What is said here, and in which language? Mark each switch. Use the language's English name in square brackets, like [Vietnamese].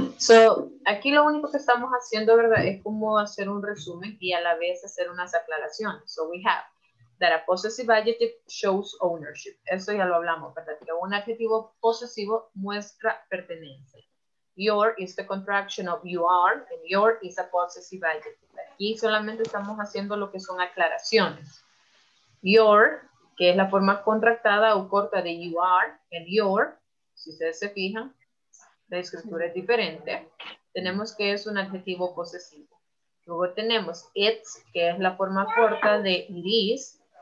[Spanish] So, aquí lo único que estamos haciendo, ¿verdad? Es como hacer un resumen y a la vez hacer unas aclaraciones. [English] So, we have that a possessive adjective shows ownership. [Spanish] Eso ya lo hablamos, ¿verdad? Que un adjetivo posesivo muestra pertenencia. [English] Your is the contraction of you are, and your is a possessive adjective. [Spanish] Aquí solamente estamos haciendo lo que son aclaraciones. Your, que es la forma contractada o corta de [English] you are, and your, [Spanish] si ustedes se fijan, la escritura es diferente. Tenemos que es un adjetivo posesivo. Luego tenemos it's, que es la forma corta de it is.